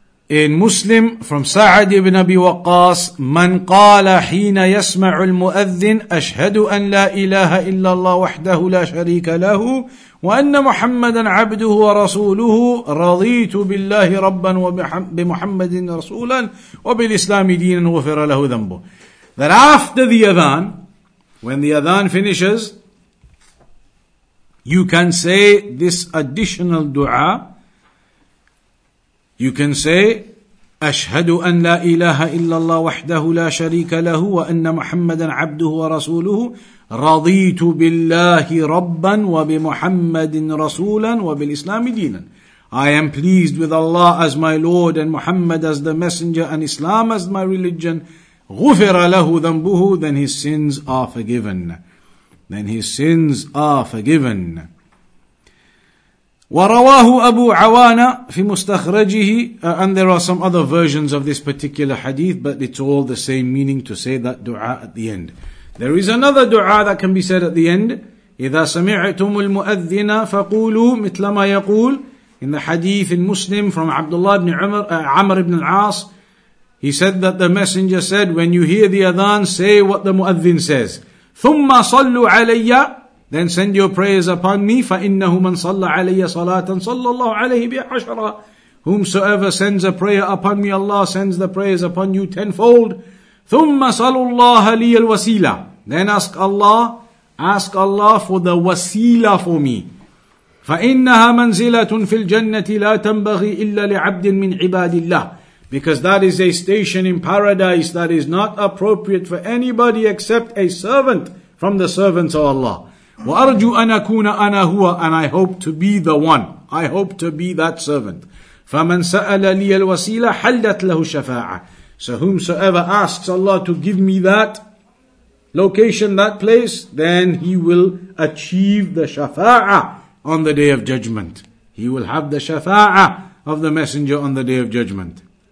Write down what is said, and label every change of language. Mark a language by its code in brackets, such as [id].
[ar] In Muslim, from Sa'ad ibn Abi Waqqas, من قال حين يسمع المؤذن أشهد أن لا إله إلا الله وحده لا شريك له وأن محمدا عبده ورسوله رضيت بالله ربا وبمحمد رسولا وبالإسلام دينا غفر له ذنبه. [en] That after the Adhan, when the Adhan finishes, you can say this additional dua. You can say, [ar] أشهد أن لا إله إلا الله وحده لا شريك له وأن محمدا عبده ورسوله رضيت بالله ربا وبمحمد رسولا وبالإسلام دينا. [en] I am pleased with Allah as my Lord and Muhammad as the Messenger and Islam as my religion. [ar] غفر له ذنبه. [en] Then his sins are forgiven. Then his sins are forgiven. [ar] ورواه أبو عوانة في مستخرجه. [en] And there are some other versions of this particular hadith, but it's all the same meaning to say that dua at the end. There is another dua that can be said at the end. [ar] إذا سمعتم المؤذن فقولوا مثل ما يقول. [en] In the hadith in Muslim from Abdullah ibn Umar, Amr ibn al-As, he said that the messenger said, when you hear the adhan, say what the muadhin says. [ar] ثم صلوا علي. [en] Then send your prayers upon me. [ar] فإنه من صلى علي صلاة صلى الله عليه بعشرة. [en] Whomsoever sends a prayer upon me, Allah sends the prayers upon you tenfold. [ar] ثم صلوا الله لي الوسيلة. [en] Then ask Allah for the wasila for me. [ar] فإنها منزلة في الجنة لا تنبغي إلا لعبد من عباد الله. [en] Because that is a station in paradise that is not appropriate for anybody except a servant from the servants of Allah. [ar] وأرجو أن أكون أنا هو. [en] And I hope to be the one. I hope to be that servant. [ar] فمن سأل لي الوسيلة حلت له الشفاعة. [en] So whomsoever asks Allah to give me that location, that place, then he will achieve the shafa'a on the day of judgment. He will have the shafa'a of the messenger on the day of judgment.